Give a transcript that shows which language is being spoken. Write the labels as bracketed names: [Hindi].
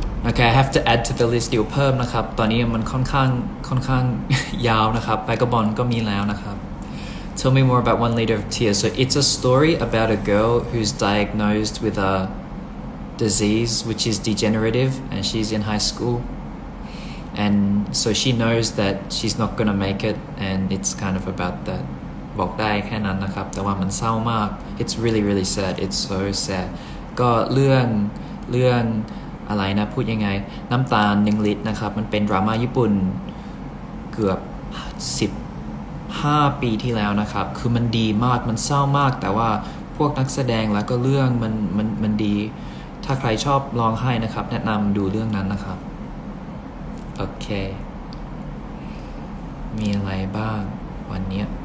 [English] Okay, I have to add to the list. [Thai] เดี๋ยวเพิ่มนะครับตอนนี้มันค่อนข้างยาวนะครับ [English] Vagabond [Thai] ก็มีแล้วนะครับ [English] Tell me more about One Leader of Tears. So it's a story about a girl who's diagnosed with a disease which is degenerative and she's in high school. And so she knows that she's not going to make it and it's kind of about that. [Thai] บอกได้แค่นั้นนะครับแต่ว่ามันเศร้ามาก [English] it's really really sad it's so sad [Thai] ก็เรื่อง อะไรนะพูดยังไงน้ำตาลหนึ่งลิตรนะครับมันเป็นดราม่าญี่ปุ่นเกือบ15ปีที่แล้วนะครับคือมันดีมากมันเศร้ามากแต่ว่าพวกนักแสดงแล้วก็เรื่องมันดีถ้าใครชอบร้องไห้นะครับแนะนำดูเรื่องนั้นนะครับโอเคมีอะไรบ้างวันนี้